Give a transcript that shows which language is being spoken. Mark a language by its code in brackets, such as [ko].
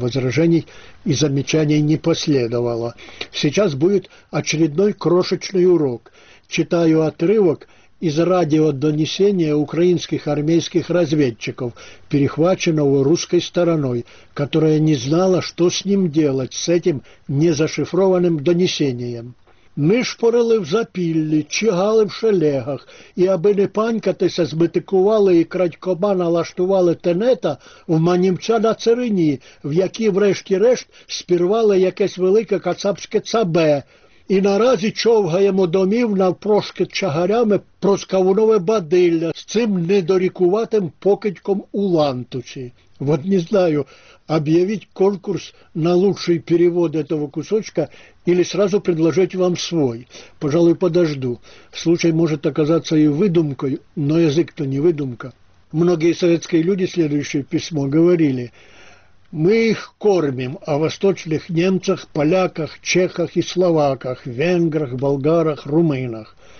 [ru] Возражений и замечаний не последовало. Сейчас будет очередной крошечный урок. Читаю отрывок из радиодонесения украинских армейских разведчиков, перехваченного русской стороной, которая не знала, что с ним делать, с этим незашифрованным донесением. [uk] «Ми шпорили в запіллі, чигали в шелегах, і аби не панькатися, збитикували і крадькома налаштували тенета в Манімця на Цирині, в якій врешті-решт спірвали якесь велике кацапське цабе, і наразі човгаємо домів навпрошки чагарями проскавунове бадилля з цим недорікуватим покидьком у лантусі». [ru] Вот не знаю, объявить конкурс на лучший перевод этого кусочка или сразу предложить вам свой. Пожалуй, подожду. Случай может оказаться и выдумкой, но язык-то не выдумка. Многие советские люди, следующее письмо, говорили, мы их кормим о восточных немцах, поляках, чехах и словаках, венграх, болгарах, румынах.